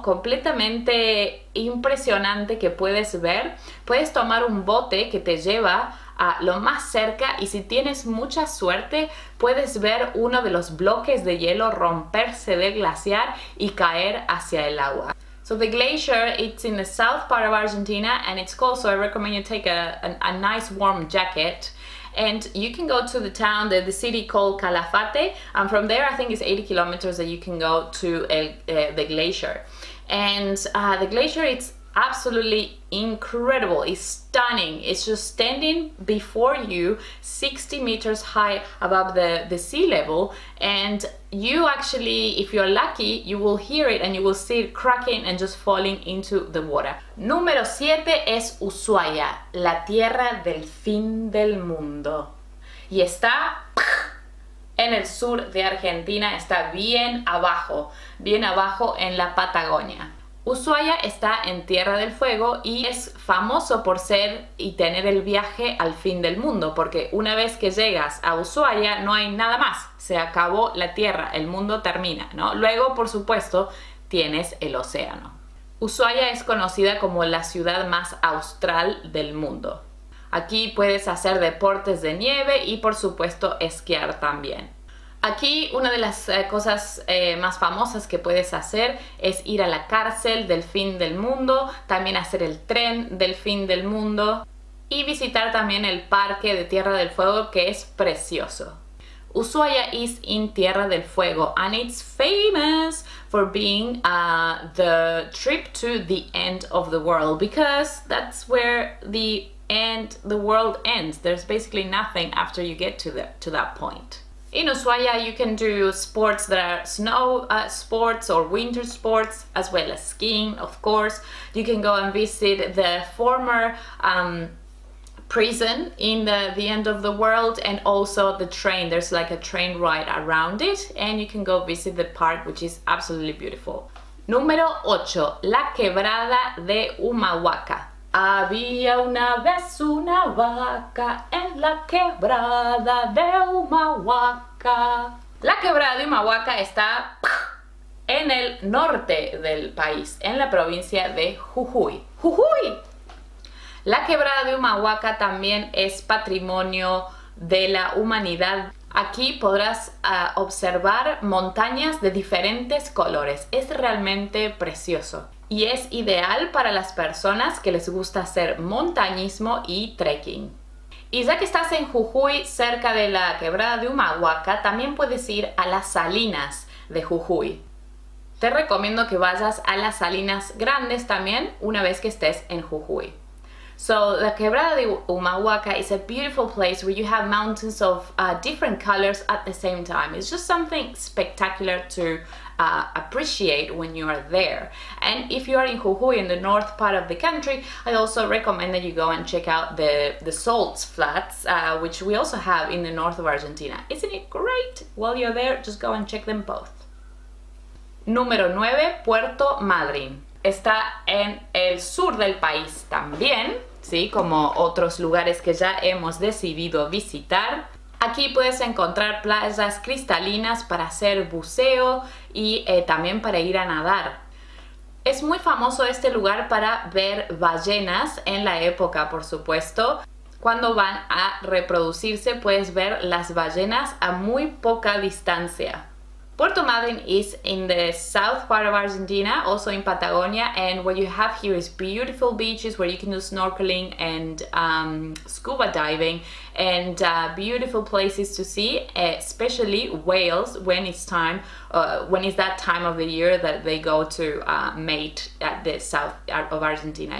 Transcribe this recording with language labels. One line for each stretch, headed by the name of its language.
Spanish: Completamente impresionante que puedes ver. Puedes tomar un bote que te lleva a lo más cerca y si tienes mucha suerte puedes ver uno de los bloques de hielo romperse del glaciar y caer hacia el agua.
English: So the glacier, it's in the south part of Argentina and it's cold, so I recommend you take a nice warm jacket. And you can go to the town, the city called Calafate, and from there I think it's 80 kilometers that you can go to the glacier. And the glacier, it's absolutely incredible. It's stunning. It's just standing before you, 60 meters high above the sea level. And you actually, if you're lucky, you will hear it and you will see it cracking and just falling into the water.
Spanish: Número 7 es Ushuaia, la tierra del fin del mundo. Y está en el sur de Argentina, está bien abajo en la Patagonia. Ushuaia está en Tierra del Fuego y es famoso por ser y tener el viaje al fin del mundo, porque una vez que llegas a Ushuaia no hay nada más, se acabó la tierra, el mundo termina, ¿no? Luego, por supuesto, tienes el océano. Ushuaia es conocida como la ciudad más austral del mundo. Aquí puedes hacer deportes de nieve y, por supuesto, esquiar también. Aquí una de las cosas más famosas que puedes hacer es ir a la cárcel del fin del mundo, también hacer el tren del fin del mundo y visitar también el parque de Tierra del Fuego, que es precioso.
English: Ushuaia is in Tierra del Fuego and it's famous for being the trip to the end of the world, because that's where the end the world ends. There's basically nothing after you get to that point. In Ushuaia, you can do sports that are snow sports or winter sports, as well as skiing, of course. You can go and visit the former prison in the end of the world, and also the train. There's like a train ride around it, and you can go visit the park, which is absolutely beautiful.
Spanish: Número 8, la quebrada de Humahuaca. Había una vez una vaca en la quebrada de Humahuaca. La quebrada de Humahuaca está en el norte del país, en la provincia de Jujuy. ¡Jujuy! La quebrada de Humahuaca también es patrimonio de la humanidad. Aquí podrás observar montañas de diferentes colores. Es realmente precioso. Y es ideal para las personas que les gusta hacer montañismo y trekking. Y ya que estás en Jujuy, cerca de la quebrada de Humahuaca, también puedes ir a las salinas de Jujuy. Te recomiendo que vayas a las salinas grandes también una vez que estés en Jujuy.
English: So, la quebrada de Humahuaca is a beautiful place where you have mountains of different colors at the same time. It's just something spectacular to appreciate when you are there. And if you are in Jujuy, in the north part of the country, I also recommend that you go and check out the salt flats, which we also have in the north of Argentina. Isn't it great? While you're there, just go and check them both.
Spanish: Número 9, Puerto Madryn. Está en el sur del país también, ¿sí? Como otros lugares que ya hemos decidido visitar. Aquí puedes encontrar playas cristalinas para hacer buceo y también para ir a nadar. Es muy famoso este lugar para ver ballenas en la época, por supuesto. Cuando van a reproducirse, puedes ver las ballenas a muy poca distancia.
English: Puerto Madryn is in the south part of Argentina, also in Patagonia, and what you have here is beautiful beaches where you can do snorkeling and scuba diving, and beautiful places to see, especially whales when it's time, when it's that time of the year that they go to mate at the south of Argentina.